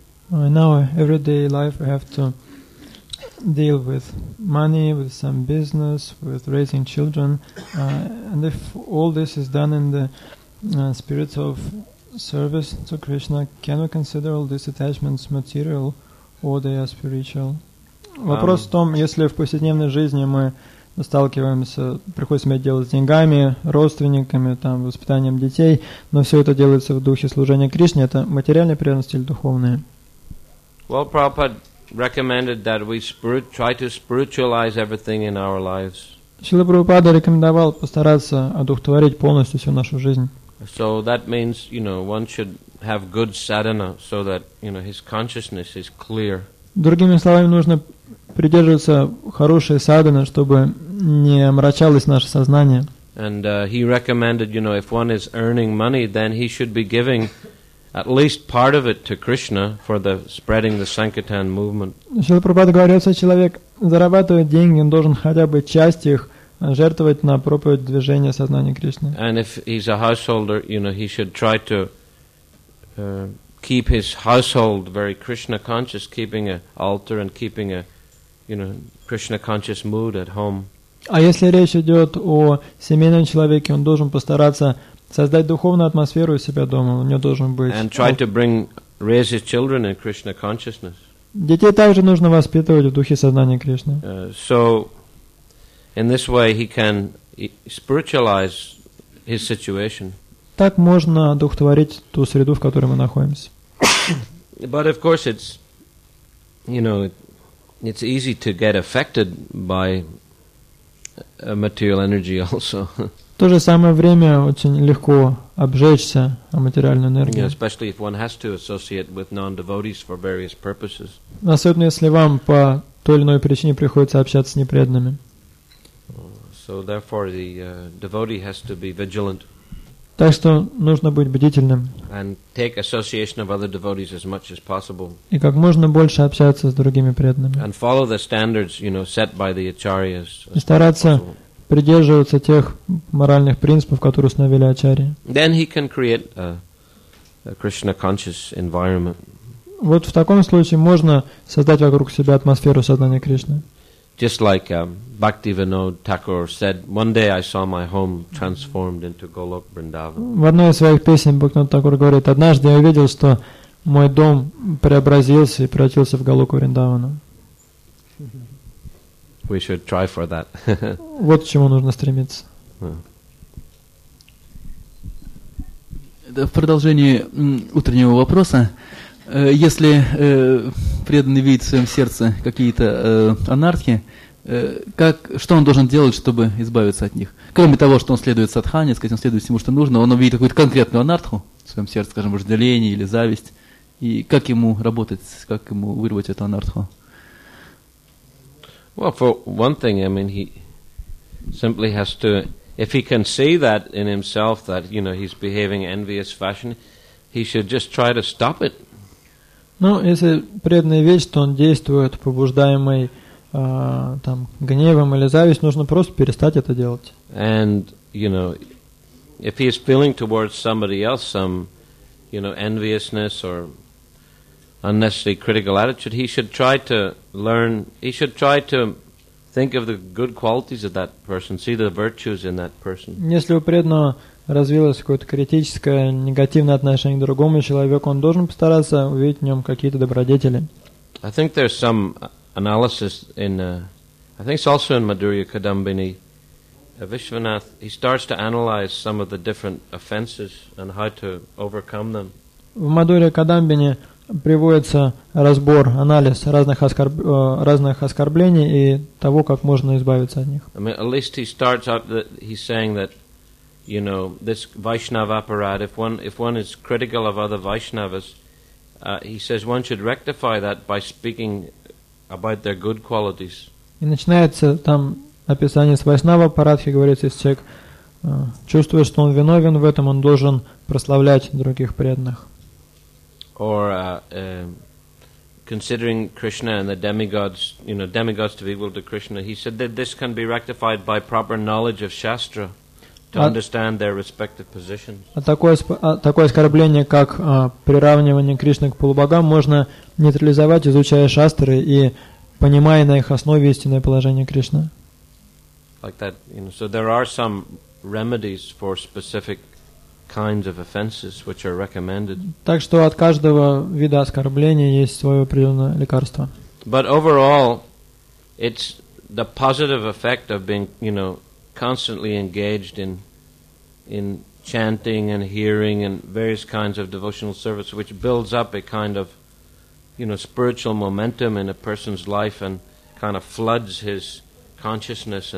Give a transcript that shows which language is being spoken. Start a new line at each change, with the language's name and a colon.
English: In our everyday life, we have to deal with money, with some business, with raising children. And if all this is done in the spirit of service to Krishna, can we consider all these attachments material or they are spiritual?
Russian: Вопрос в том, если в повседневной жизни мы сталкиваемся, приходится иметь дело с деньгами, родственниками, там, воспитанием детей, но все это делается в духе служения Кришне, это материальные привязанности или духовные?
English: Well, Prabhupada recommended that we try to spiritualize everything in our lives.
Russian: Шрила Прабхупада рекомендовал постараться одухотворить полностью всю нашу жизнь.
English: So that means, you know, one should have good sadhana so that, you know, his consciousness is clear.
Russian: Другими словами, нужно придерживаться хорошей садханы, чтобы не омрачалось наше сознание.
English: And he recommended, you know, if one is earning money, then he should be giving at least part of it to Krishna for the spreading the Sankirtan movement.
Russian: Шрила Прабхупада говорил, если человек зарабатывает деньги, он должен хотя бы часть их жертвовать на проповедь движения сознания Кришны.
English: And if he's a householder, you know, he should try to keep his household very Krishna conscious, keeping an altar and keeping a, you know, Krishna conscious mood at home.
Russian: А если речь идет о семейном человеке, он должен постараться создать духовную атмосферу у себя дома, у него должен быть.
English: And try to bring, raise his children in Krishna consciousness.
Russian: Детей также нужно воспитывать в духе сознания Кришны.
English: So, in this way, he can spiritualize his situation.
Russian: Так можно духотворить ту среду, в которой мы находимся.
English: But of course, it's, you know, it's easy to get affected by material energy also.
Russian: В то же самое время очень легко обжечься о материальной энергии.
English: Especially if one has to associate with non-devotees for various purposes.
Russian: Особенно если вам по той или иной причине приходится общаться с непреданными.
English: So therefore the devotee has to be vigilant.
Russian: Так что нужно быть бдительным.
English: And take association of other devotees as much as possible.
Russian: И как можно больше общаться с другими преданными.
English: And follow the standards, you know, set by the acharyas.
Russian: И стараться придерживаться тех моральных принципов, которые установили ачарьи.
English: Then he can create a Krishna conscious environment.
Russian: Вот в таком случае можно создать вокруг себя атмосферу сознания Кришны.
English: Just like Bhaktivinod Thakur said, one day I saw my home transformed into Golok Vrindavan.
Russian: В одной из своих песен Бхактивинод Такур говорит: однажды я увидел, что мой дом преобразился и превратился в Голоку Вриндавана.
English: We should try for that.
Russian: Вот к чему нужно стремиться. Это в продолжении утреннего вопроса. Если преданный видит в своем сердце какие-то анархи, что он должен делать, чтобы избавиться от них? Кроме того, что он следует садхане, сказать, он следует всему, что нужно, он увидит какую-то конкретную анарху в своем сердце, скажем, вожделение или зависть. И как ему работать, как ему вырвать эту анарху?
English: Well, for one thing, I mean, he simply has to, if he can see that in himself, that, you know, he's behaving envious fashion, he should just try to stop it.
Russian: Ну, если преданный видит, что он действует побуждаемый там гневом или завистью, нужно просто перестать это делать.
English: And, you know, if he is feeling towards somebody else some, you know, enviousness or unnecessary critical attitude, he should try to learn, he should try to think of the good qualities of that person, see the virtues in that person.
Russian: Если у преданного развилось какое-то критическое, негативное отношение к другому человеку, он должен постараться увидеть в нем какие-то добродетели.
English: I think there's some analysis in, I think it's also in Madhurya Kadambini, Vishwanath, he starts to analyze some of the different offenses and how to overcome them.
Russian: В Мадхурья Кадамбини приводится разбор, анализ разных оскорблений и того, как можно избавиться от них.
English: I mean, at least he starts out that he's saying that, you know, this Vaishnava apparat, if one is critical of other Vaishnavas, he says one should rectify that by speaking about their good qualities.
Russian: И начинается там описание с Вайшнава Парадхи, говорится, если человек чувствует, что он виновен в этом, он должен прославлять других преданных.
English: Or considering Krishna and the demigods, you know, demigods to be equal to Krishna, he said that this can be rectified by proper knowledge of Shastra to understand their respective positions.
Russian: Такое оскорбление, как приравнивание Кришны к полубогам, можно нейтрализовать, изучая Шастры и понимая на их основе истинное положение Кришны.
English: Like that, you know, so there are some remedies for specific kinds of offenses which are recommended.
Russian: Так что от каждого вида оскорбления есть свое определенное лекарство.
English: But overall, it's the positive effect of being, you know, constantly engaged in chanting and hearing and various kinds of devotional service, which builds up a kind of, you know, spiritual momentum in a person's life and kind of floods his consciousness.